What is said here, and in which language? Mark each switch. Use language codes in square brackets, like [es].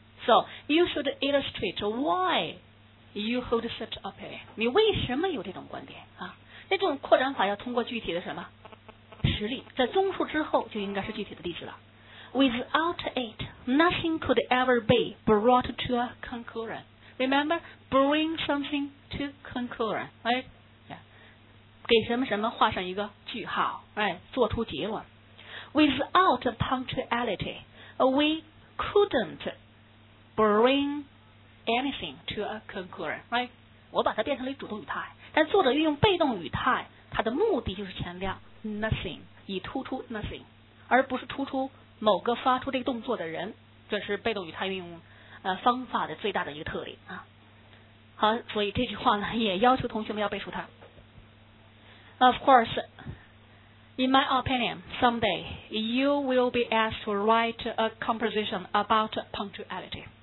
[en] So, you should illustrate why you hold such opinion. [zh] 你为什么有这种观点啊？那这种扩展法要通过具体的什么实例，在综述之后就应该是具体的例子了。 [en] Without it, nothing could ever be brought to a conclusion. Remember, bring something to conclusion, right? [zh] 给什么什么画上一个句号，哎，做出结论。 [en] Without punctuality, we couldn't bring anything to a conclusion, right? [zh] 我把它变成了主动语态，但作者运用被动语态，它的目的就是强调 nothing， 以突出 nothing， 而不是突出某个发出这个动作的人。这是被动语态运用方法的最大的一个特点啊。好，所以这句话呢，也要求同学们要背熟它。 [en] Of course, in my opinion, someday you will be asked to write a composition about punctuality.